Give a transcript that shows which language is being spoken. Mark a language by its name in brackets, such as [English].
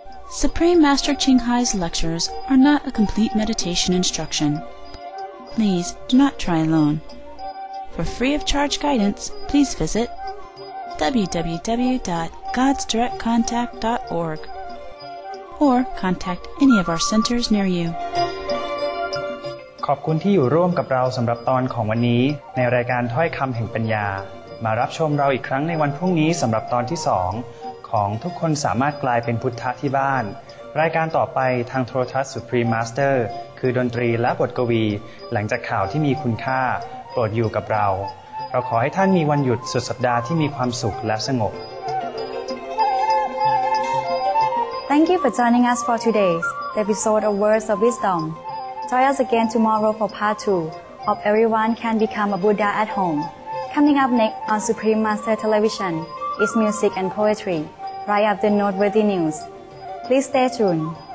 [English] Supreme Master Qinghai's lectures are not a complete meditation instruction. Please do not try alone. For free of charge guidance, please visit www.godsdirectcontact.org or contact any of our centers near you. [Thai] ขอบคุณที่อยู่ร่วมกับเราสำหรับตอนของวันนี้ในรายการถ้อยคำแห่งปัญญามารับชมเราอีกครั้งในวันพรุ่งนี้สำหรับตอนที่2ของทุกคนสามารถกลายเป็นพุทธะที่บ้านรายการต่อไปทางโทรทัศน์ Supreme Master คือดนตรีและบทกวีหลังจากข่าวที่มีคุณค่าโปรดอยู่กับเราเราขอให้ท่านมีวันหยุดสุดสัปดาห์ที่มีความสุขและสงบ [English] Thank you for joining us for today's episode of Words of Wisdom Join us again tomorrow for part 2 of Everyone Can Become a Buddha at Home Coming up next on Supreme Master Television is Music and Poetry right after Noteworthy NewsPlease stay tuned.